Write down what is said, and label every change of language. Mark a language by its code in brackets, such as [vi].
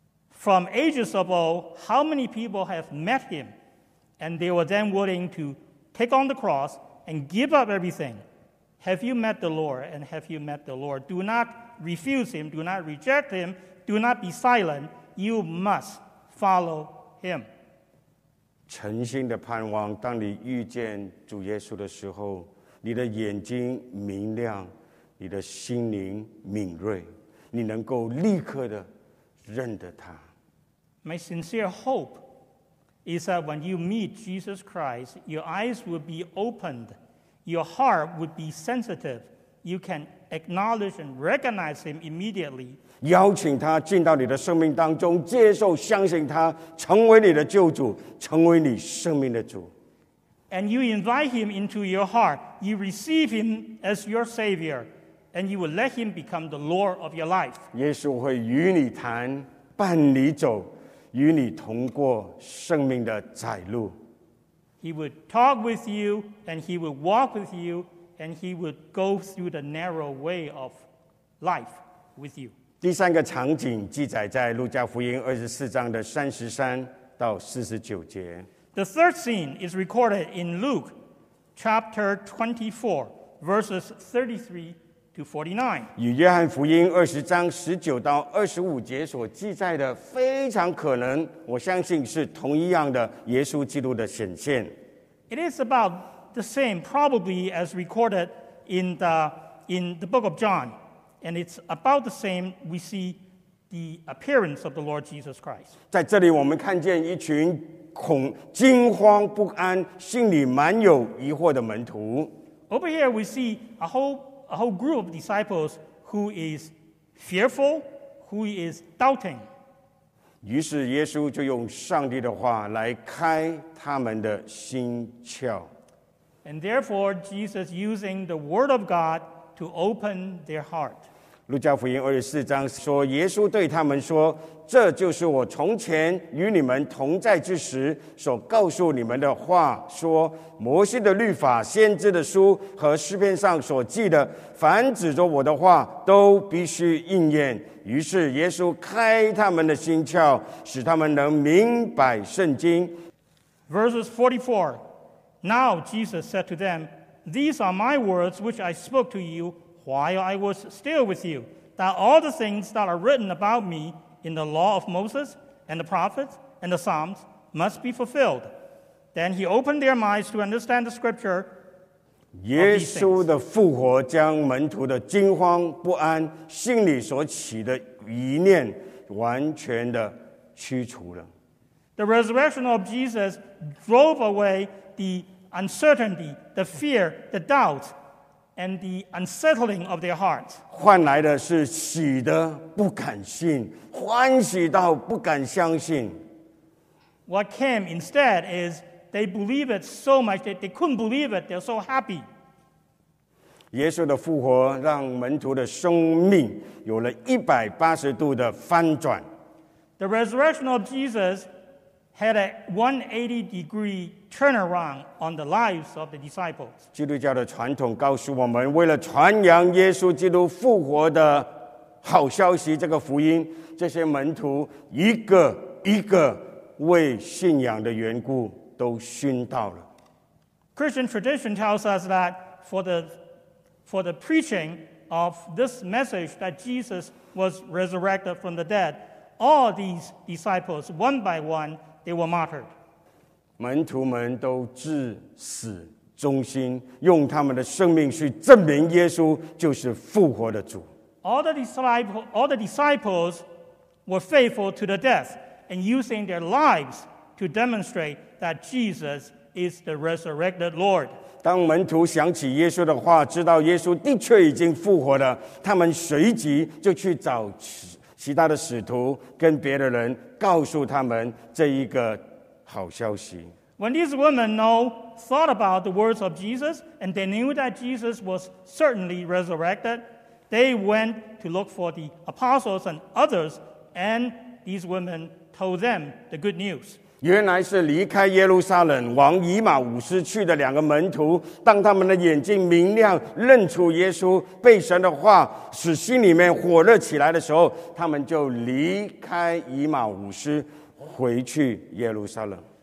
[en] From ages of old, how many people have met him? And they were then willing to take on the cross and give up everything. Have you met the Lord? And have you met the Lord? Do not refuse him. Do not reject him. Do not be silent. You must follow him. [zh] 诚心的盼望，当你遇见主耶稣的时候，你的眼睛明亮，你的心灵敏锐，你能够立刻的认得他。 [en] My sincere hope is that when you meet Jesus Christ, your eyes will be opened, your heart will be sensitive. You can acknowledge and recognize him immediately. [zh] 邀请他进到你的生命当中，接受、相信他，成为你的救主，成为你生命的主。 [en] And you invite him into your heart, you receive him as your savior, and you will let him become the Lord of your life. [zh] 耶稣会与你谈，伴你走，与你同过生命的窄路。 [en] He will talk with you, and he will walk with you, and he would go through the narrow way of life with you. [zh] 第三个场景记载在路加福音二十四章的三十三到四十九节。 [en] The third scene is recorded in Luke chapter 24, verses 33 to 49. [zh] 与约翰福音二十章十九到二十五节所记载的非常可能，我相信是同一样的耶稣基督的显现。 [en] It is about the same, probably as recorded in the book of John, and it's about the same. We see the appearance of the Lord Jesus Christ. [zh] 在这里，我们看见一群惊慌不安、心里满有疑惑的门徒。 [en] Over here, we see a whole group of disciples who is fearful, who is doubting. [zh] 于是耶稣就用上帝的话来开他们的心窍。 [en] And therefore, Jesus using the word of God to open their heart. [zh] 路加福音二十四章说，耶稣对他们说，这就是我从前与你们同在之时所告诉你们的话，说摩西的律法、先知的书和诗篇上所记的，凡指着我的话都必须应验。于是耶稣开他们的心窍，使他们能明白圣经。 [en] Verses 44. Now Jesus said to them, These are my words which I spoke to you while I was still with you, that all the things that are written about me in the law of Moses and the prophets and the Psalms must be fulfilled. Then he opened their minds to understand the scripture. [zh] 耶稣的复活将门徒的惊慌不安、心里所起的疑念完全的驱除了。 [en] The resurrection of Jesus drove away the uncertainty, the fear, the doubt, and the unsettling of their hearts. [zh] 换来的是喜的不敢信，欢喜到不敢相信。 [en] What came instead is they believe it so much that they couldn't believe it. They're so happy. [zh] 耶稣的复活让门徒的生命有了180度的翻转。 [en] The resurrection of Jesus had a 180 degree turnaround on the lives of the disciples. [zh] 基督教的传统告诉我们，为了传扬耶稣基督复活的好消息，这个福音，这些门徒一个一个为信仰的缘故都殉道了。 [en] Christian tradition tells us that for the preaching of this message that Jesus was resurrected from the dead, all these disciples, one by one, they were martyred. [zh] 门徒们都至死忠心，用他们的生命去证明耶稣就是复活的主。 [en] All the disciples were faithful to the death and using their lives to demonstrate that Jesus is the resurrected Lord. [zh] 当门徒想起耶稣的话，知道耶稣的确已经复活了，他们随即就去找其他的使徒跟别的人告诉他们这一个好消息。 [en] When these women thought about the words of Jesus and they knew that Jesus was certainly resurrected, they went to look for the apostles and others, and these women told them the good news. [zh] 原来是离开耶路撒冷往以马忤斯去的两个门徒，当他们的眼睛明亮，认出耶稣被神的话使心里面火热起来的时候，他们就离开以马忤斯回去耶路撒冷。